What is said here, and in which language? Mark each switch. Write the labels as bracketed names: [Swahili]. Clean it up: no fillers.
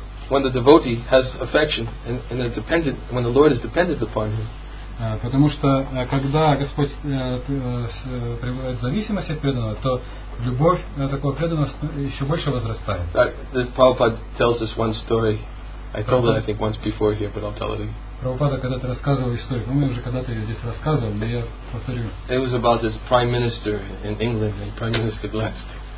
[English] When the devotee has affection and is dependent, when the Lord is dependent upon him. [Russian] Потому что когда Господь пребывает в зависимости от преданного, то любовь такого преданного еще больше возрастает. [English] Prabhupada tells us one story. I told it, I think, once before here, but I'll tell it again. [Russian] Прабхупада когда-то рассказывал историю. Мы уже когда-то ее здесь рассказывали, но я повторю. [English] It was about this prime minister in England, and prime minister Gladstone.